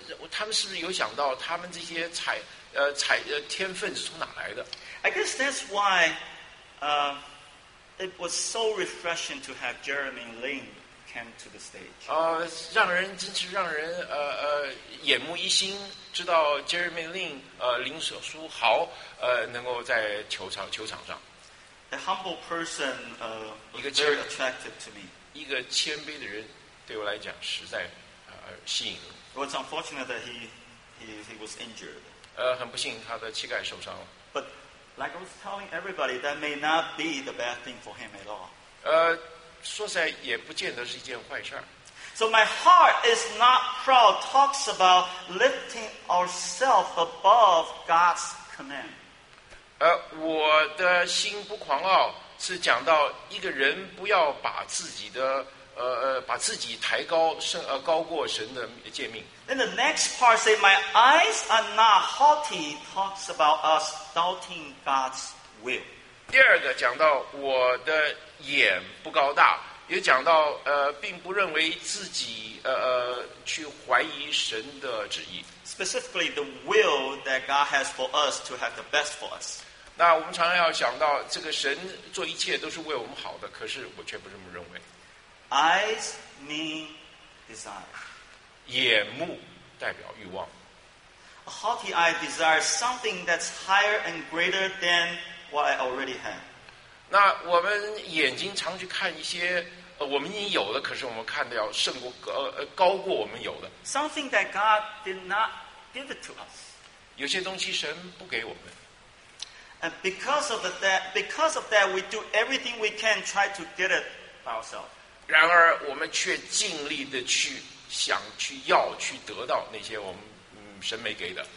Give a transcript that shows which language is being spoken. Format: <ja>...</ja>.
<zh>他们是不是有想到他们这些天分是从哪来的</zh> <en>？I guess that's why, it was so refreshing to have Jeremy Lin come to the stage.</en> <zh>让人真是让人眼目一新，知道 Jeremy Lin 林书豪能够在球场上。</zh> <en>A humble person, was very attractive to me.</en> <zh>一个谦卑的人对我来讲实在吸引。</zh> <en>It was unfortunate that he was injured.</en> <zh>很不幸他的膝盖受伤了。</zh> <en>But like I was telling everybody, that may not be the bad thing for him at all.</en> <zh>说起来也不见得是一件坏事。</zh> <en>So my heart is not proud talks about lifting ourselves above God's command.</en> <zh>我的心不狂傲是讲到一个人不要把自己的把自己抬高高过神的诫命。</zh> <en>Then the next part say my eyes are not haughty talks about us doubting God's will.</en> <zh>第二个讲到我的眼不高大，也讲到并不认为自己去怀疑神的旨意。</zh> <en>Specifically the will that God has for us to have the best for us.</en> <zh>那我们常常要想到这个神做一切都是为我们好的，可是我却不这么认为。</zh> <en>Eyes mean desire.</en> <zh>眼目代表欲望。</zh> <en>A haughty eye desires something that's higher and greater than what I already have.</en> <zh>那我们眼睛常去看一些我们已经有的，可是我们看的要胜过高过我们有的。</zh> <en>Something that God did not give it to us.</en> <zh>有些东西神不给我们。</zh> <en>And because of that, we do everything we can try to get it by ourselves.</en> <zh>然而我们却尽力的去想去要去得到那些我们神没给的。</zh>